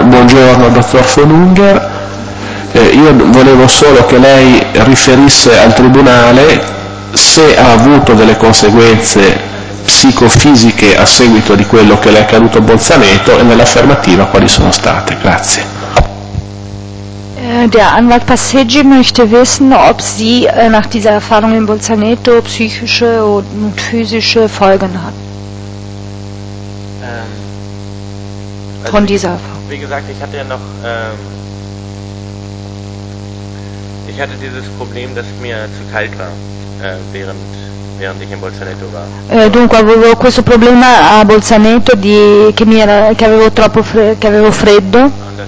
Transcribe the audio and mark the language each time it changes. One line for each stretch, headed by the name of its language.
Italian: Buongiorno Dottor Fonunger. Io volevo solo che lei riferisse al Tribunale se ha avuto delle conseguenze psicofisiche a seguito di quello che le è accaduto a Bolzaneto e nell'affermativa quali sono state. Grazie.
German: Der Anwalt Passeggi möchte wissen, ob sie nach dieser Erfahrung in Bolzaneto psychische und physische Folgen hat. Von dieser Erfahrung. Wie gesagt, ich hatte ja noch. Ich hatte dieses Problem, dass mir zu kalt war, während ich in Bolzaneto war.
Italian: Dunque, avevo questo problema a Bolzaneto, che avevo freddo.